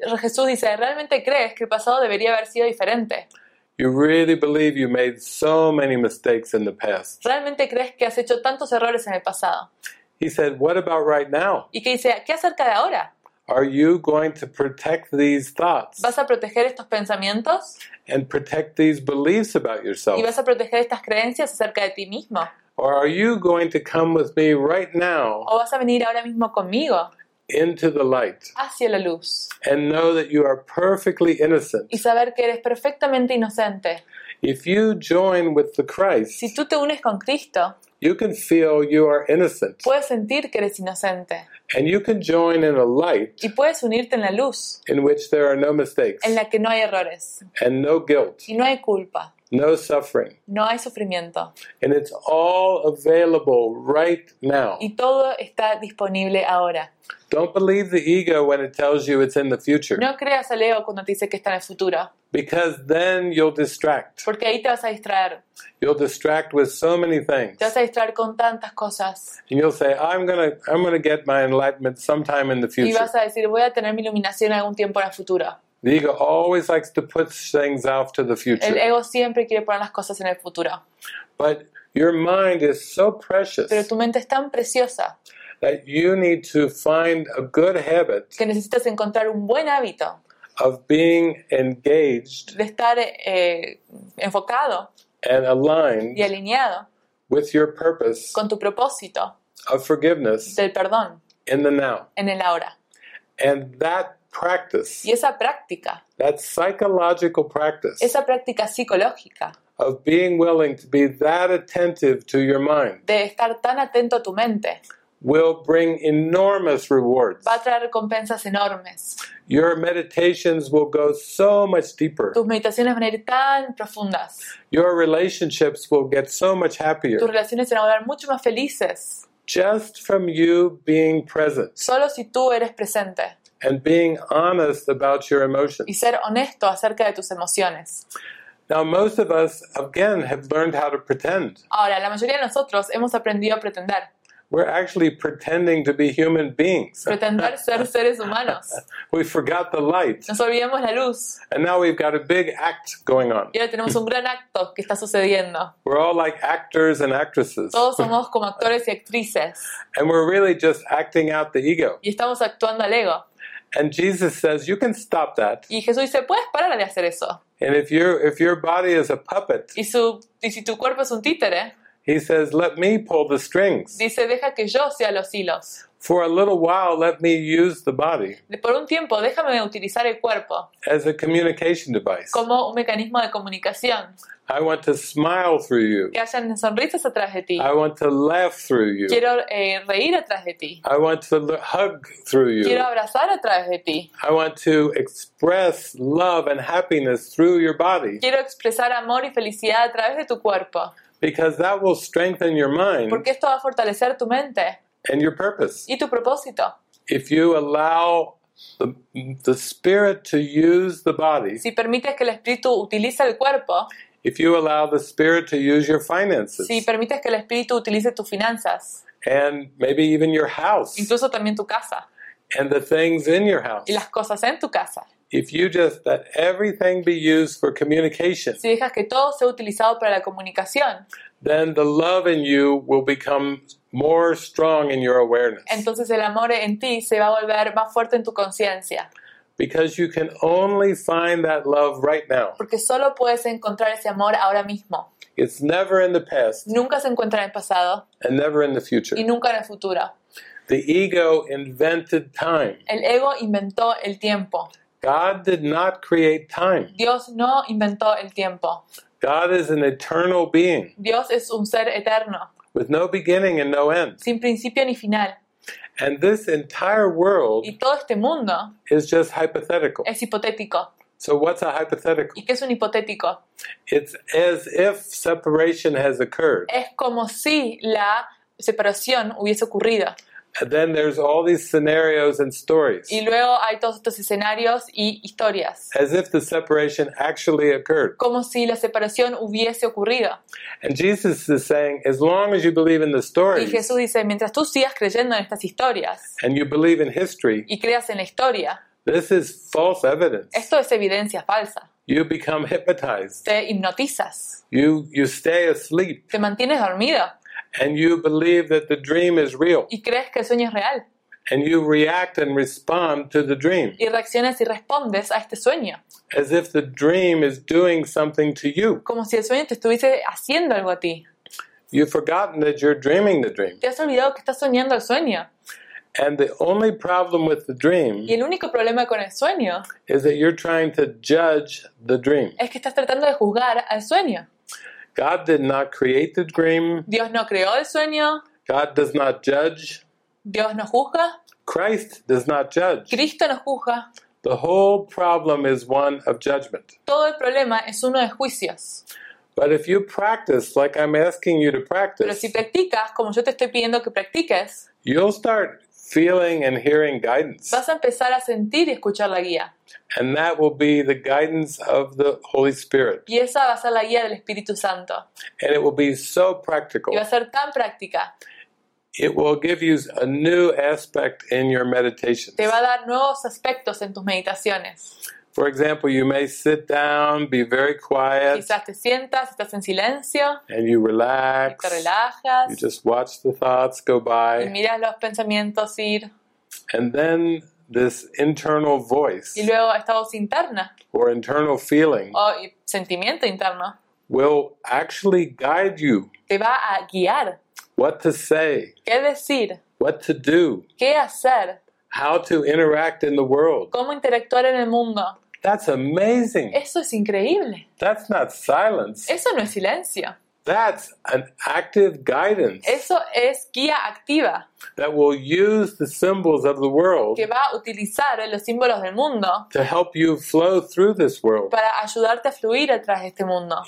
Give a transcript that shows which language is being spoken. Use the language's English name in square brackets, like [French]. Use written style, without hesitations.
[Spanish] Jesús dice, ¿realmente crees que el pasado debería haber sido diferente? [English] You really believe you made so many mistakes in the past. [Spanish] ¿Realmente crees que has hecho tantos errores en el pasado? [English] He said, "What about right now?" [Spanish] Y que dice, ¿qué acerca de ahora? [English] Are you going to protect these thoughts? [Spanish] ¿Vas a proteger estos pensamientos? [English] And protect these beliefs about yourself? [Spanish] ¿Y vas a proteger estas creencias acerca de ti mismo? [English] Or are you going to come with me right now? [Spanish] ¿O vas a venir ahora mismo conmigo? [English] Into the light. [Spanish] Hacia la luz. [English] And know that you are perfectly innocent. [Spanish] Y saber que eres perfectamente inocente. [English] If you join with the Christ. [Spanish] Si tú te unes con Cristo. [English] You can feel you are innocent. [Spanish] Puedes sentir que eres inocente. [English] And you can join in a light. [Spanish] Y puedes unirte en la luz. [English] In which there are no mistakes. [Spanish] En la que no hay errores. [English] And no guilt. [Spanish] Y no hay culpa. [English] No suffering. [Spanish] No hay sufrimiento. [English] And it's all available right now. [Spanish] Y todo está disponible ahora. [English] Don't believe the ego when it tells you it's in the future. [Spanish] No creas al ego cuando te dice que está en el futuro. [English] Because then you'll distract. [Spanish] Porque ahí te vas a distraer. [English] You'll distract with so many things. [Spanish] Te vas a distraer con tantas cosas. [English] And you'll say, I'm gonna get my enlightenment sometime in the future. [Spanish] Y vas a decir, voy a tener mi iluminación algún tiempo en el futuro. [English] The ego always likes to put things off to the future. [Spanish] El ego siempre quiere poner las cosas en el futuro. [English] But your mind is so precious. [Spanish] Pero tu mente es tan preciosa. [English] That you need to find a good habit. [Spanish] Que necesitas encontrar un buen hábito. [English] Of being engaged. [Spanish] De estar enfocado. [English] And aligned. [Spanish] Y alineado. [English] With your purpose. [Spanish] Con tu propósito. [English] Of forgiveness. [Spanish] Del perdón. [English] In the now. [Spanish] En el ahora. [English] And that practice. [Spanish] Y esa práctica. [English] That psychological practice. [Spanish] Esa práctica psicológica. [English] Of being willing to be that attentive to your mind. [Spanish] De estar tan atento a tu mente. [English] Will bring enormous rewards. [Spanish] Va a traer recompensas enormes. [English] Your meditations will go so much deeper. [Spanish] Tus meditaciones van a ir tan profundas. [English] Your relationships will get so much happier. [Spanish] Tus relaciones van a volver mucho más felices. [English] Just from you being present. [Spanish] Solo si tú eres presente. [English] And being honest about your emotions. [Spanish] Y ser honesto acerca de tus emociones. [English] Now most of us again have learned how to pretend. [Spanish] Ahora la mayoría de nosotros hemos aprendido a pretender. [English] We're actually pretending to be human beings. [Spanish] Pretender ser seres humanos. [English] We forgot the light. [Spanish] Nos olvidamos la luz. [English] And now we've got a big act going on. [Spanish] Y ahora tenemos un gran acto que está sucediendo. [English] We're all like actors and actresses. [Spanish] Todos somos como actores y actrices. [English] And we're really just acting out the ego. [Spanish] Y estamos actuando al ego. [English] And Jesus says, "You can stop that." [Spanish] Y Jesús dice, puedes parar de hacer eso. [English] And if your body is a puppet. [Spanish] Y si tu cuerpo es un títere. [English] He says, "Let me pull the strings." [Spanish] Dice, deja que yo sea los hilos. [English] For a little while, let me use the body. [Spanish] Por un tiempo, déjame utilizar el cuerpo. [English] As a communication device. [Spanish] Como un mecanismo de comunicación. [English] I want to smile through you. [Spanish] Que hayan sonrisas atrás de ti. [English] I want to laugh through you. [Spanish] Quiero reír atrás de ti. [English] I want to hug through you. [Spanish] Quiero abrazar atrás de ti. [English] I want to express love and happiness through your body. [Spanish] Quiero expresar amor y felicidad a través de tu cuerpo. [English] Because that will strengthen your mind. [Spanish] Porque esto va a fortalecer tu mente. [English] And your purpose. [Spanish] Y tu propósito. [English] If you allow the spirit to use the body. [Spanish] Si permites que el espíritu utilice el cuerpo. [English] If you allow the spirit to use your finances. [Spanish] Si permites que el espíritu utilice tus finanzas. [English] And maybe even your house. [Spanish] Incluso también tu casa. [English] And the things in your house. [Spanish] Y las cosas en tu casa. [English] If you just let everything be used for communication, [Spanish] si dejas que todo sea utilizado para la comunicación, [English] then the love in you will become more strong in your awareness. [Spanish] Entonces el amor en ti se va a volver más fuerte en tu conciencia. [English] Because you can only find that love right now. [Spanish] Porque solo puedes encontrar ese amor ahora mismo. [English] It's never in the past. [Spanish] Nunca se encuentra en el pasado. [English] And never in the future. [Spanish] Y nunca en el futuro. [English] The ego invented time. [Spanish] El ego inventó el tiempo. [English] God did not create time. [Spanish] Dios no inventó el tiempo. [English] God is an eternal being. [Spanish] Dios es un ser eterno. [English] With no beginning and no end. [Spanish] Sin principio ni final. [English] And this entire world. [Spanish] Y todo este mundo. [English] Is just hypothetical. [Spanish] Es hipotético. [English] So what's a hypothetical? [Spanish] ¿Y qué es un hipotético? [English] It's as if separation has occurred. [Spanish] Es como si la separación hubiese ocurrido. [English] And then there's all these scenarios and stories. [Spanish] Y luego hay todos estos escenarios y historias. [English] As if the separation actually occurred. [Spanish] Como si la separación hubiese ocurrido. [English] And Jesus is saying, as long as you believe in the stories. [Spanish] Y Jesús dice, mientras tú sigas creyendo en estas historias. [English] And you believe in history. [Spanish] Y creas en la historia. [English] This is false evidence. [Spanish] Esto es evidencia falsa. [English] You become hypnotized. [Spanish] Te hipnotizas. [English] You stay asleep. [Spanish] Te mantienes dormido. [English] And you believe that the dream is real. [Spanish] Y crees que el sueño es real. [English] And you react and respond to the dream. [Spanish] Y reaccionas y respondes a este sueño. [English] As if the dream is doing something to you. [Spanish] Como si el sueño te estuviese haciendo algo a ti. [English] You've forgotten that you're dreaming the dream. [Spanish] Te has olvidado que estás soñando el sueño. [English] And the only problem with the dream. [Spanish] Y el único problema con el sueño. [English] Is that you're trying to judge the dream. [Spanish] Es que estás tratando de juzgar al sueño. [English] God did not create the dream. [Spanish] Dios no creó el sueño. [English] God does not judge. [Spanish] Dios no juzga. [English] Christ does not judge. [Spanish] Cristo no juzga. [English] The whole problem is one of judgment. [Spanish] Todo el problema es uno de juicios. [English] But if you practice like I'm asking you to practice, [Spanish] pero si practicas como yo te estoy pidiendo que practiques, [English] you'll start feeling and hearing guidance. [Spanish] Vas a empezar a sentir y escuchar la guía. [English] And that will be the guidance of the Holy Spirit. [Spanish] Y esa va a ser la guía del Espíritu Santo. [English] And it will be so practical. [Spanish] Y va a ser tan práctica. [English] It will give you a new aspect in your meditations. [Spanish] Te va a dar nuevos aspectos en tus meditaciones. [English] For example, you may sit down, be very quiet. [Spanish] Quizás te sientas, estás en silencio. [English] And you relax. [Spanish] Y te relajas. [English] You just watch the thoughts go by. [Spanish] Y miras los pensamientos ir. [English] And then this internal voice. [Spanish] Y luego esta voz interna. [English] Or internal feeling. [Spanish] O sentimiento interno. [English] Will actually guide you. [Spanish] Te va a guiar. [English] What to say. [Spanish] ¿Qué decir? [English] What to do. [Spanish] ¿Qué hacer? [English] How to interact in the world. [Spanish] ¿Cómo interactuar en el mundo? [English] That's amazing. [Spanish] Eso es increíble. [English] That's not silence. [Spanish] Eso no es silencio. [English] That's an active guidance. [Spanish] Eso es guía activa. [English] That will use the symbols of the world. [Spanish] Que va a utilizar los símbolos del mundo. [English] To help you flow through this world. [Spanish] Para ayudarte a fluir a través de este mundo.